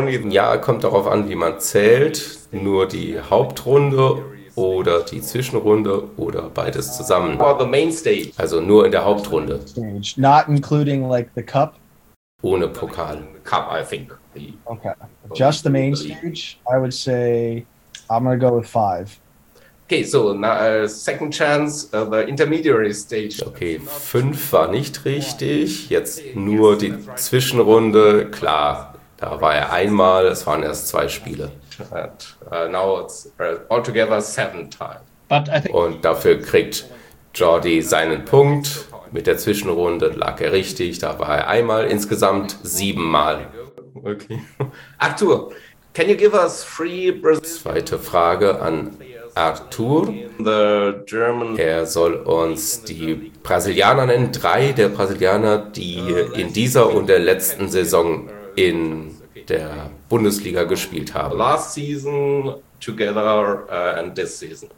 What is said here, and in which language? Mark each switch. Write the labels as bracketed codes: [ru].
[de] Ja, kommt darauf an, wie man zählt. Nur die Hauptrunde oder die Zwischenrunde oder beides zusammen. [en] Or the main stage. [de] Also nur in der Hauptrunde. [en] Not including like the cup. [de] Ohne Pokal. [en] Cup, I think. Okay. Just the main stage. I would say I'm gonna go with five. Okay, so second chance, the intermediary stage. [de] Okay, fünf war nicht richtig. Jetzt nur die Zwischenrunde. Klar, da war er einmal. Es waren erst zwei Spiele. [en] Now it's altogether seven times. [de] Und dafür kriegt Jordi seinen Punkt. Mit der Zwischenrunde lag er richtig. Da war er einmal, insgesamt siebenmal. [en] Okay. Arthur, can you give us three Brazilian... [de] Zweite Frage an Arthur. Er soll uns die Brasilianer nennen. Drei der Brasilianer, die in dieser und der letzten Saison in der Bundesliga gespielt haben. [en] Last season together and this season.